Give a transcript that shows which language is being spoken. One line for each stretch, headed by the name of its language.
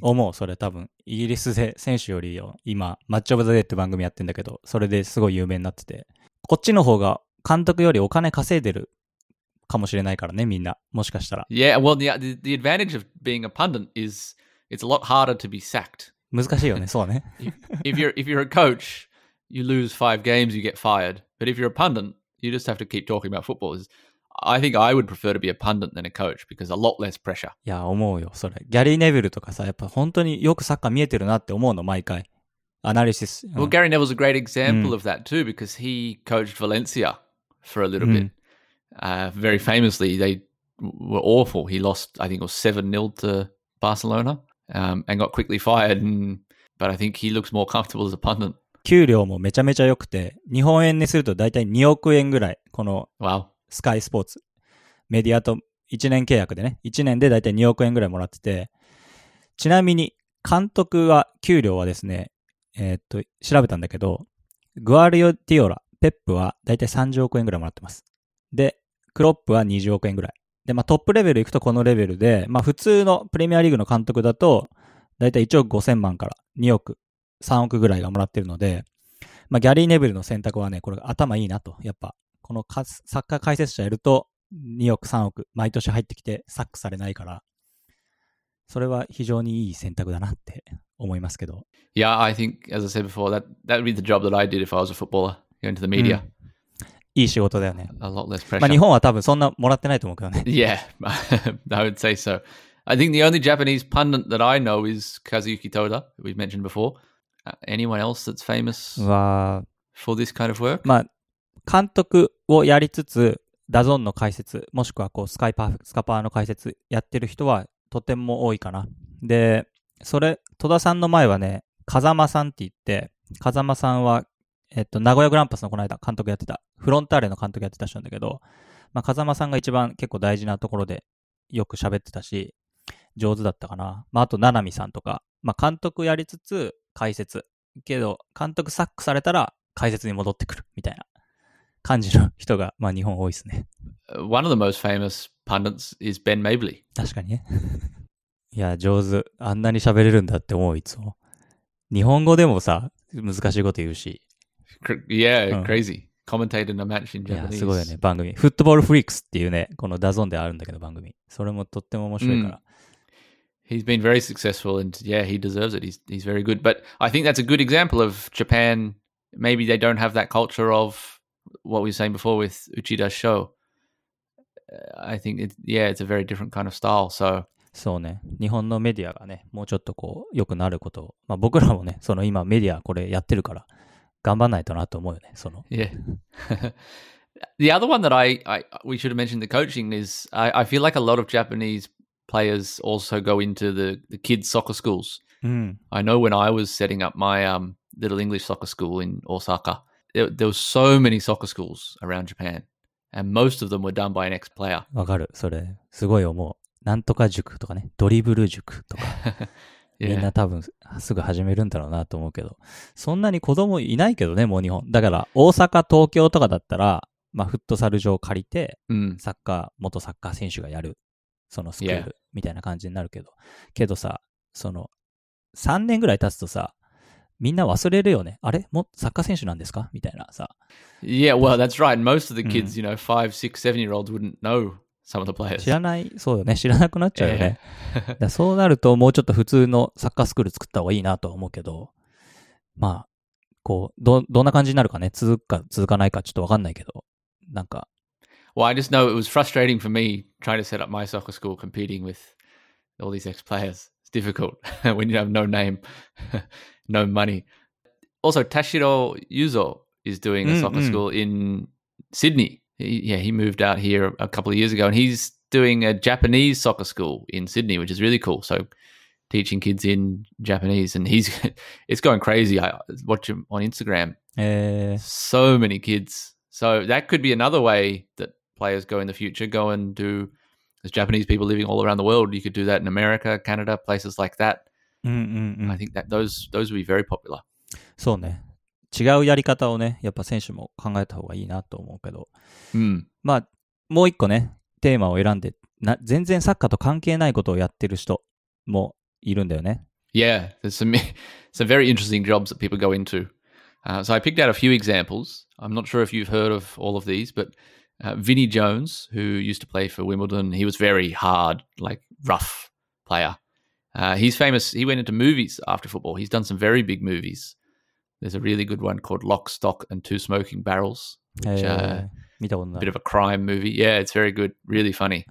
Japanese: Oh, もうそれ多分イギリスで選手より今マッチオブザデーって番組やってんだけど、それですごい有名になってて、こっちの方が監督よりお金稼いでるかもしれないからね、みんなもしかしたら。
English: Yeah, well, the advantage of being a pundit is it's a lot harder to be sacked.
Japanese: 難しいよね、そうね。
English: if you're a coach, you lose 5 games, you get fired. But if you're a pundit, you just have to keep talking about football. It'sI think I would prefer to be a pundit than a coach because a lot less pressure.
Japanese: いや、思うよ、それ。ギャリー・ネビルとかさ、やっぱ本当によくサッカー見えてるなって思うの、毎回。アナリシス。う
English: ん、well, Gary Neville's a great example、うん、of that too because he coached Valencia for a little、うん、bit.、Very famously, they were awful. He lost, I think it was 7-0 to Barcelona、and got quickly fired. But I think he looks more comfortable as a pundit.
Japanese: 給料もめちゃめちゃ良くて、日本円にすると大体2億円ぐらい、この。
English: Wow.
Japanese: スカイスポーツメディアと1年契約でね、1年でだいたい2億円ぐらいもらってて、ちなみに監督は給料はですね、調べたんだけど、グアリオディオラ、ペップはだいたい30億円ぐらいもらってます。でクロップは20億円ぐらいで、まあ、トップレベル行くとこのレベルで、まあ、普通のプレミアリーグの監督だとだいたい1億5000万から2億3億ぐらいがもらってるので、まあ、ギャリー・ネビルの選択はね、これ頭いいなと。やっぱこのサッカー解説者やると2億3億毎年入ってきてサックされないから、それは非常にいい選択だなって思いますけど。
English: Yeah, I think as I said before that would be the job that I did if I was a footballer going to the media、うん、
Japanese: いい仕事だよね。
English: A lot less pressure、
Japanese: まあ、日本は多分そんなもらってないと思うけどね。
English: Yeah, I would say so. I think the only Japanese pundit that I know is Kazuyuki Toda, we've mentioned before. Anyone else that's famous for this kind of work?
Japanese: まあ監督をやりつつダゾーンの解説もしくはこうスカイパーフェクトスカパーの解説やってる人はとても多いかな。で、それ戸田さんの前はね、風間さんって言って、風間さんは、名古屋グランパスのこの間監督やってた、フロンターレの監督やってた人なんだけど、まあ、風間さんが一番結構大事なところでよく喋ってたし、上手だったかな。まあ、あと、ななみさんとか、まあ、監督やりつつ解説。けど、監督サックされたら解説に戻ってくるみたいな感じの人が、まあ、日本多いですね。
English: One of the most famous pundits is Ben Mabley.
Japanese: 確かにね。いや、上手。あんなに喋れるんだって思う、いつも。日本語でもさ、難しいこと言うし。
English: Yeah, crazy. Commentated in a match in Japanese.
Japanese: いや、すごいよね、番組。フットボールフリックスっていうね、このダゾンであるんだけど、番組。それもとっても面白いから。
English: He's been very successful and yeah, he deserves it. He's very good. But I think that's a good example of Japan. Maybe they don't have that culture of what we were saying before with Uchida's show. I think it's a very different kind of style. So,
Japanese: そうね。日本のメディアがね、もうちょっとこう、良くなることを。まあ僕らもね、その今メディアこれやってるから、頑張んないとなと思うよね、その。
English: Yeah. The other one that we should have mentioned the coaching is, I feel like a lot of Japanese players also go into the kids soccer schools. I know when I was setting up my little English soccer school in Osaka, there were so many soccer schools around Japan, and most of them were done by an ex-player.
Japanese: わかる。それすごい思う。なんとか塾とかね、ドリブル塾とか、yeah. みんな多分すぐ始めるんだろうなと思うけど、そんなに子供いないけどね、もう日本。だから大阪、東京とかだったら、まあフットサル場を借りて、サッカー、元サッカー選手がやる、そのスクールみたいな感じになるけど、yeah. けどさ、その3年ぐらい経つとさ、みんな忘れるよね。あれ、もサッカー選手なんですかみたいなさ。
English: Yeah, well, that's right. Most of the kids, you know, 5, 6, 7 year olds wouldn't know. Some of the players.
Japanese: 知らない、そうよね、知らなくなっちゃうよね。だそうなるともうちょっと普通のサッカースクール作った方がいいなとは思うけど、まあこう どんな感じになるかね、続くか続かないかちょっと分かんないけど、なんか。
English: Well, I just know it was frustrating for me trying to set up my soccer school competing with all these ex-players. It's difficult when you have no name, no money. Also, Tashiro Yuzo is doing a soccer school in Sydney. Yeah, he moved out here a couple of years ago, and he's doing a Japanese soccer school in Sydney, which is really cool. So, teaching kids in Japanese, and it's going crazy. I watch him on Instagram. So many kids. So, that could be another way that players go in the future, go and do, there's Japanese people living all around the world. You could do that in America, Canada, places like that. I think that those would be very popular.
Japanese: そうね。違うやり方をね、やっぱ選手も考えた方がいいなと思うけど、まあもう一個ね、テーマを選んで、全然サッカーと関係ないことをやってる人もいるんだよね。
English: Yeah, there's some very interesting jobs that people go into. So I picked out a few examples. I'm not sure if you've heard of all of these, but Vinnie Jones, who used to play for Wimbledon, he was very hard, like rough player. He's famous. He went into movies after football. He's done some very big movies. There's a really good one called Lock, Stock, and Two Smoking Barrels, which is a bit of a crime movie. Yeah, it's very good. Really funny.